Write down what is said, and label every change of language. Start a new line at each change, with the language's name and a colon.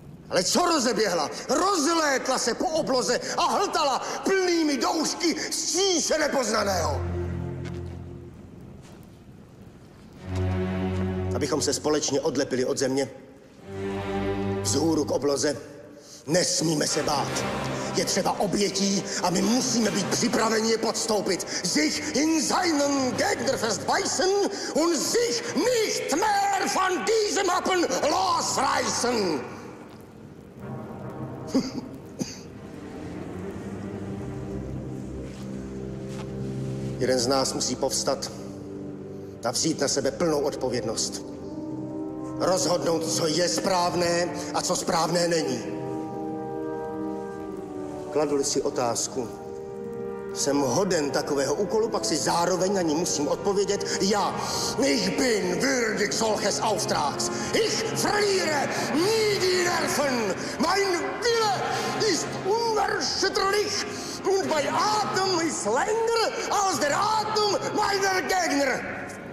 Czech: Ale co rozeběhla? Rozlétla se po obloze a hltala plnými doušky stříše nepoznaného. Abychom se společně odlepili od země, vzhůru k obloze, nesmíme se bát. Je třeba obětí a my musíme být připraveni je podstoupit.
German: Sich in seinen Gegner festbeißen und sich nicht mehr von diesem Happen losreißen.
Czech: Jeden z nás musí povstat a vzít na sebe plnou odpovědnost. Rozhodnout, co je správné a co správné není. Kladu-li si otázku, jsem hoden takového úkolu, pak si zároveň na ní musím odpovědět já.
German: Ich bin würdig solches Auftrags. Ich verliere nie die Nerven. Mein Wille ist unerschütterlich und mein Atem ist länger als der Atem meiner Gegner.